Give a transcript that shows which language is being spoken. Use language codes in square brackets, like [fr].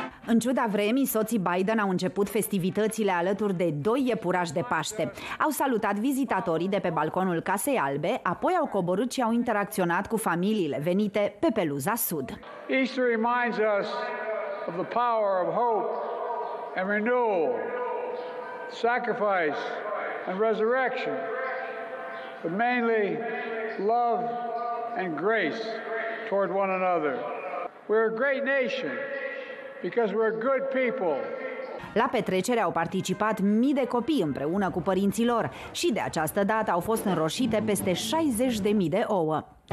[ro] În ciuda vremii, soții Biden au început festivitățile alături de doi iepurași de Paște. Au salutat vizitatorii de pe balconul Casei Albe, apoi au coborât și au interacționat cu familiile venite pe peluza sud. [en] Easter reminds us of the power of hope and renewal, sacrifice and resurrection, but mainly love and grace toward one another. We're a great nation. Because we're good people. [ro] La petrecere au participat mii de copii împreună cu părinților și de această dată au fost înroșite peste 60.000 de ouă.